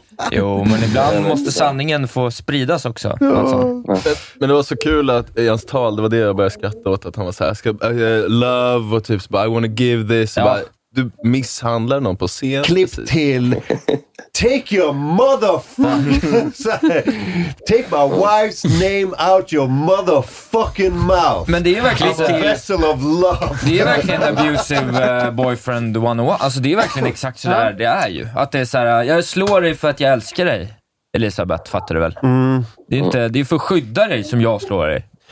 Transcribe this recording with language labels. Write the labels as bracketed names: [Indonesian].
[Swedish] Jo, men ibland måste sanningen få spridas också. Ja. Men det var så kul att i hans tal, det var det jag började skratta åt. Att han var så här, love och typ, [English] I wanna give this. [Swedish] Ja. Du misshandlar någon på scen. Klipp precis. Till, [English] take your motherfucker. Take my wife's name out your motherfucking mouth. [Swedish] Men det är ju verkligen [English] a vessel of love. [Swedish] Det är verkligen [English] abusive boyfriend 101. [Swedish] Alltså det är verkligen exakt sådär det är ju. Att det är såhär, jag slår dig för att jag älskar dig. Elisabeth, fattar du väl? Det är inte, det är för att skydda dig som jag slår dig.